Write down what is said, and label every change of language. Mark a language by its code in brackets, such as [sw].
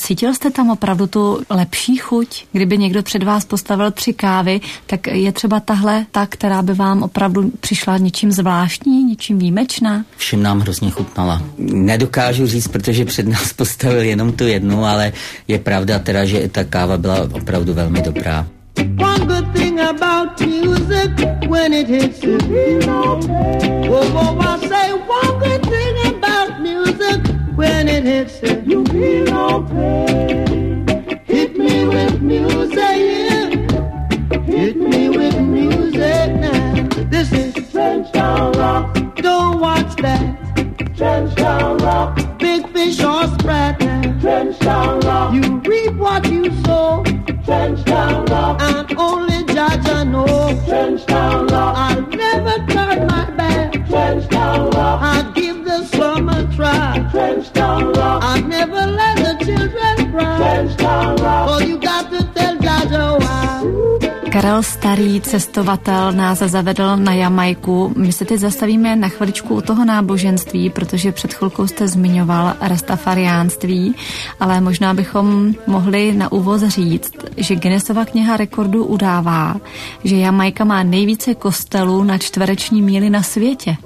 [cs] Cítil jste tam opravdu tu lepší chuť? Kdyby někdo před vás postavil tři kávy, tak je třeba tahle ta, která by vám opravdu přišla něčím zvláštní, něčím výjimečná? Všem nám hrozně chutnala. Nedokážu říct, protože před nás postavil jenom tu jednu, ale je pravda teda, že i ta káva byla opravdu velmi dobrá. [en] One good thing about music when it hits you, you know. Oh, I say one good thing about music when it hits you, you know. Hit me with music, yeah. Hit me with music now. This is Trenchtown Rock. Don't watch that Trenchtown Rock. Big fish or sprat now. Trenchtown Rock. You reap what you sow. Trenchtown Rock. And only judge I know. Trenchtown Rock. I'll never turn my back. Trenchtown Rock. I'll give the summer try. Trenchtown Rock. I'll never let the children cry. Trenchtown Rock. All you got to tell judge why. [cs] Karel Starý, cestovatel, nás zavedl na Jamajku. My se teď zastavíme na chviličku u toho náboženství, protože před chvilkou jste zmiňoval rastafariánství, ale možná bychom mohli na úvod říct, že Guinnessova kniha rekordů udává, že Jamajka má nejvíce kostelů na čtvereční míli na světě.